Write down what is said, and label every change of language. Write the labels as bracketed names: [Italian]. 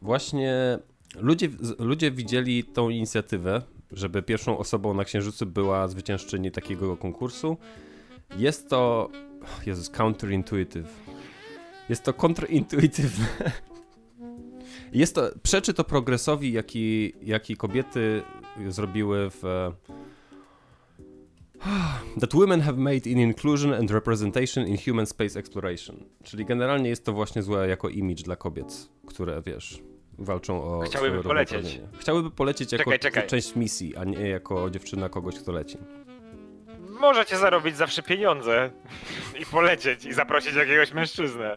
[Polish] Właśnie ludzie widzieli tą inicjatywę, żeby pierwszą osobą na Księżycu była zwyciężczyni takiego konkursu. Jest to... Jezus, counterintuitive. Jest to kontrintuitywne. Jest to... Przeczy to progresowi, jaki kobiety zrobiły w... [English] That women have made in inclusion and representation in human space exploration. [Polish] Czyli generalnie jest to właśnie złe jako image dla kobiet, które, wiesz, walczą o... Chciałyby polecieć jako część misji, a nie jako dziewczyna kogoś, kto leci. Możecie zarobić zawsze pieniądze i polecieć i zaprosić jakiegoś mężczyznę.